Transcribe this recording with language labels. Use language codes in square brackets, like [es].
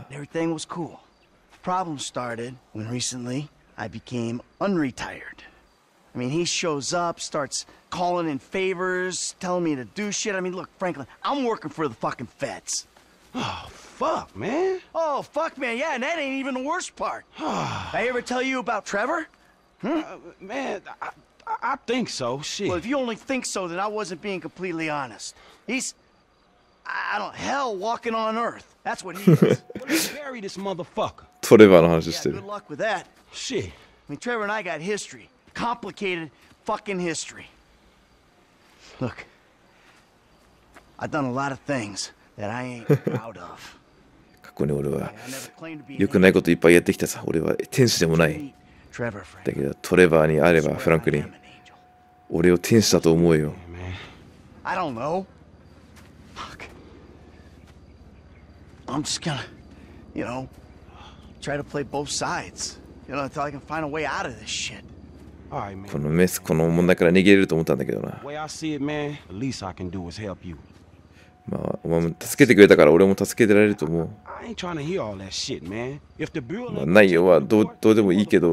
[ja] 問題が起きてるんだよ。 [en] I became unretired. I mean, he shows up, starts calling in favors, telling me to do shit. I mean, look, Franklin, I'm working for the fucking feds. Oh, fuck, man. Oh, fuck, man. Yeah, and that ain't even the worst part. Did I ever tell you about Trevor? Man, I think so. Shit. Well, if you only think so, then I wasn't being completely honest. He's, I don't, hell walking on earth. That's what he is. Bury this motherfucker. [ja] トレバーの話してる。 [en] Yeah, good luck with that. シェイ。 I mean, Trevor and I got history. Complicated fucking history. Look, I've done a lot of things that I ain't proud of. [ja] 過去に俺は良くないこといっぱいやってきたさ。俺は天使でもない。だけどトレバーにあればフランクリン、俺を天使だと思うよ。 [en] I don't know. Fuck. I'm just gonna, you know, try to play both sides. [ja] このメス、この問題から逃げれると思ったんだけどな。まあ、お前も助けてくれたから俺も助けてられると思う。まあ、内容はどうでもいいけど。